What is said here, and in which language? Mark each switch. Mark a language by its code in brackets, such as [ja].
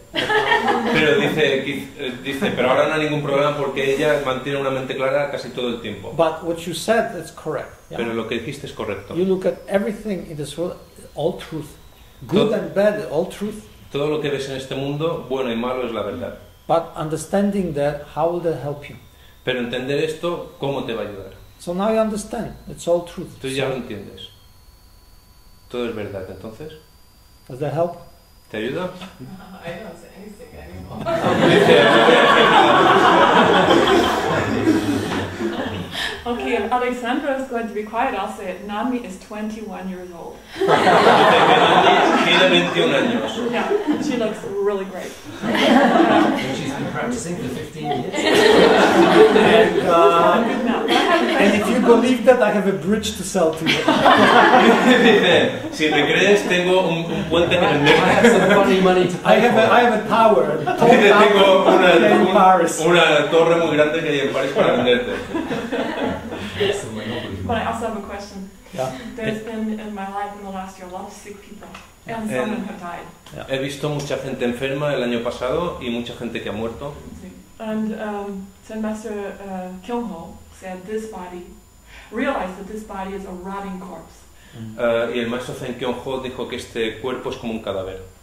[es] Pero dice, pero ahora no hay ningún problema porque ella mantiene una mente clara casi todo el tiempo. [en] But what you said is correct. Yeah? [es] Pero lo que dijiste es correcto. [en] You look at everything in this world, all truth, good and bad, all truth. [es] Todo lo que ves en este mundo, bueno y malo, es la verdad. [en] But understanding that, how will that help you? [es] Pero entender esto, ¿cómo te va a ayudar? [en] So now you understand, it's all truth. [es] Tú ya lo entiendes. Todo es verdad, entonces. [en] Does that help? [es] ¿Te ayuda? [en] No, I don't say anything anymore. Okay, Alexandra is going to be quiet. I'll say it. Nami is 21 years old. Yeah, she looks really great. She's been practicing for 15 years. And if you believe that, I have a bridge to sell to you. [es] Si te crees, tengo un puente que vender. [en] I have some funny money to pay. I have a tower. [es] Tengo una torre muy grande que hay en París para venderte. [en] But I also have a question. Yeah. There's been in my life in the last year a lot of sick people, and some of them have died. Yeah. [es] He visto mucha gente enferma el año pasado y mucha gente que ha muerto. [en] And Zen Master Kyungho said this body, realized that this body is a rotting corpse. [es] Y el maestro Zen Kyungho dijo que este cuerpo es como un cadáver.